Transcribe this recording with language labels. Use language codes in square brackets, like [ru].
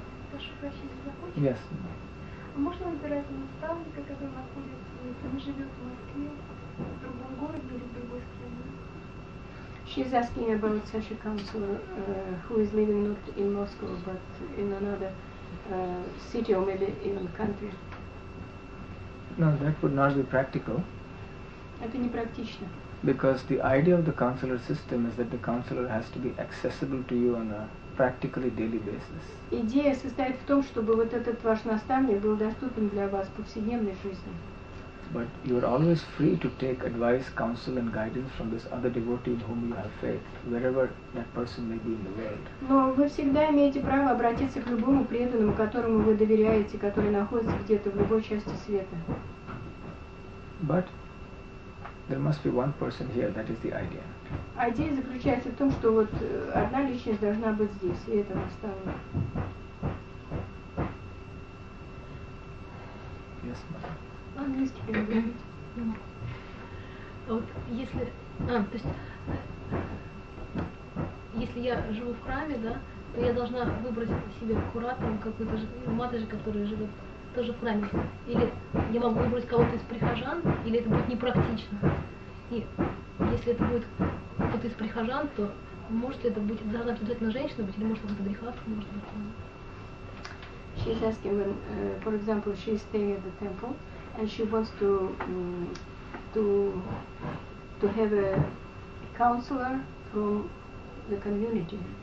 [ru] Прошу прощения, [en] yes. [ru] Можно выбирать наставника, который находится, он живет в Москве, в другом городе или в другой стране? [en] She's asking about such a counselor who is living not in Moscow but in another city or maybe even country. No, that would not be practical. [ru] Это не практично. [en] Because the idea of the counselor system is that the counselor has to be accessible to you on a practically daily basis. [ru] Идея состоит в том, чтобы вот этот ваш наставник был доступен для вас в повседневной жизни. [en] But you are always free to take advice, counsel, and guidance from this other devotee in whom you have faith, wherever that person may be in the world. [ru] Но вы всегда имеете право обратиться к любому преданному, которому вы доверяете, который находится где-то в любой части света. [en] But there must be one person here. That is the idea. [ru] Идея заключается в том, что вот одна личность должна быть здесь, и это наставник. [en] Yes, ma'am. [ru] Английский переводить. Если я живу в храме, да, то я должна выбрать себе куратора, какой-то же матаджи, который живет тоже в храме. Или я могу выбрать кого-то из прихожан, или это будет непрактично. И если это будет кто-то из прихожан, то может ли это быть, должна обязательно женщина быть, или может быть грехатка, может быть. [en] She's asking when, for example, she stay at the temple. And she wants to have a counselor from the community.